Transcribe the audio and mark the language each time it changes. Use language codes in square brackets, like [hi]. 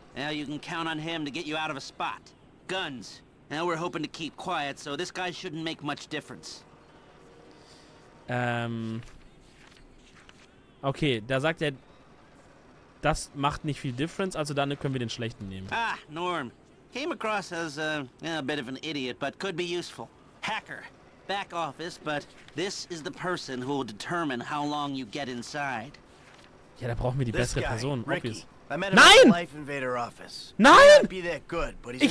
[en] Now you can count on him to get you out of a spot. Guns. Now we're hoping to keep quiet, so this guy shouldn't make much difference. [de] Okay, da sagt er, das macht nicht viel Difference, also dann können wir den Schlechten nehmen. [en] Ah, Norm. Came across as a bit of an idiot, but could be useful. Hacker. Back office, but this is the person who will determine how long you get inside. [de] Ja, da brauchen wir die bessere Person, [en] Ricky. Obvious. I met him [de] Nein! [en] At the Life Invader office. [de] Nein! [en] Be that good, but he's